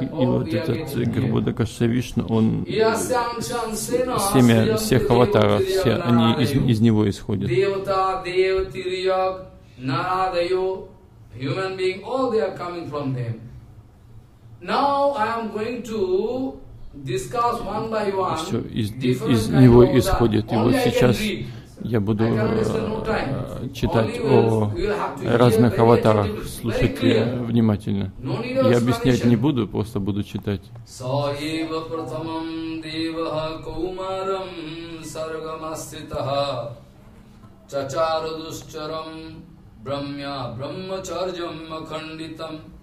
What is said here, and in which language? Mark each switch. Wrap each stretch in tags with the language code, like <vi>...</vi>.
<ru>И вот этот Гарбхуда Кашая Вишна, он семя всех аватаров, все они из него исходят.</ru> <sa>Devata, deva-tirjog.</sa> <en>Narādayo, human being, all they are coming from them. Now I am going to discuss one by one.</en> <ru>Все из него исходит. И вот сейчас я буду читать о разных аватарах. Слушайте внимательно. Я объяснять не буду, просто буду читать.</ru> <sa>Саева пратамам девага кумарам саргамаститаха чачарадушчарам Брамья, брахмачарьям, макхандитам,</sa>